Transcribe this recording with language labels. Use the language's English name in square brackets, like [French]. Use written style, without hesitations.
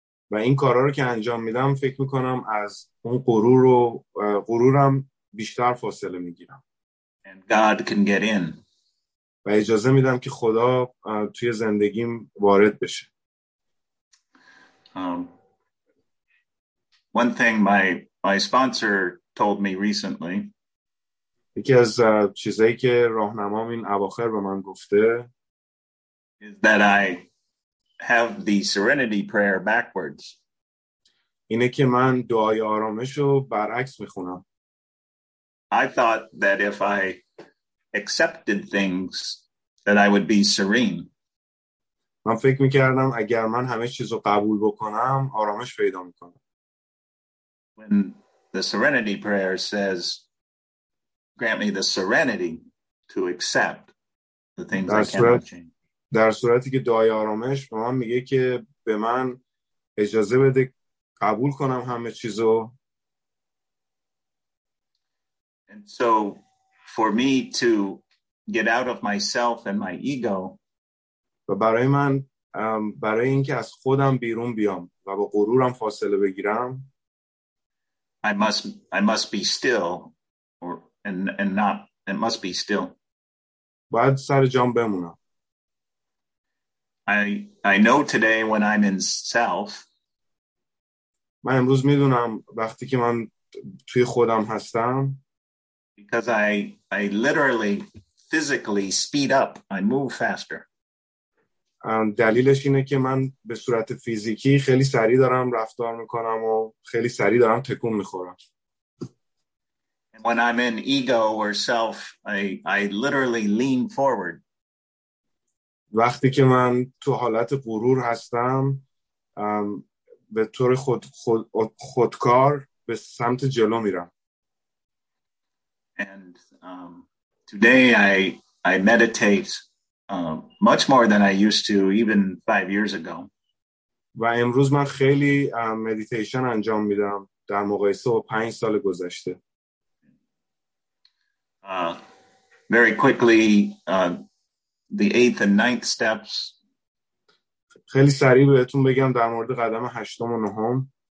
[Persian] و این کارا رو که انجام میدم فکر می کنم از اون غرور و غرورم بیشتر فاصله می گیرم. [English] And God can get in. [Persian] و اجازه میدم که خدا توی زندگیم وارد بشه. [English] One thing my sponsor told me recently. [Persian] یکی از چیزایی که راهنمام این اواخر به من گفته [English] is that I have the serenity prayer backwards. [Persian] اینه که من دعای آرامش رو برعکس میخونم. [English] I thought that if I accepted things that I would be serene. [Persian] من فکر میکردم اگر من همه چیز رو قبول بکنم آرامش پیدا میکنم. [English] When the serenity prayer says, grant me the serenity to accept the things I cannot change. [Persian] در صورتی که دعای آرامش به من میگه که به من اجازه بده قبول کنم همه چیزو. [English] And so for me to get out of myself and my ego, [Persian] و برای من برای اینکه از خودم بیرون بیام و با غرورم فاصله بگیرم, [English] I must be still or and not it must be still. [Persian] باید سر جام بمونم. [English] I know today when I'm in self. [Persian] من امروز میدونم وقتی که من توی خودم هستم. [English] Because I literally physically speed up. I move faster. [Persian] دلیلش اینه که من به صورت فیزیکی خیلی سریع دارم رفتار میکنم و خیلی سریع دارم تکون میخورم. [English] And when I'm in ego or self, I literally lean forward. [Persian] وقتی که من تو حالت غرور هستم به طور خودکار به سمت جلو میرم. [English] And today I meditate much more than I used to even 5 years ago. [Persian] و امروز من خیلی مدیتیشن انجام میدم در مقایسه با 5 سال گذشته. [English] Very quickly the 8th and 9th steps. [Persian] خیلی سریع بهتون بگم در مورد قدم 8 و 9.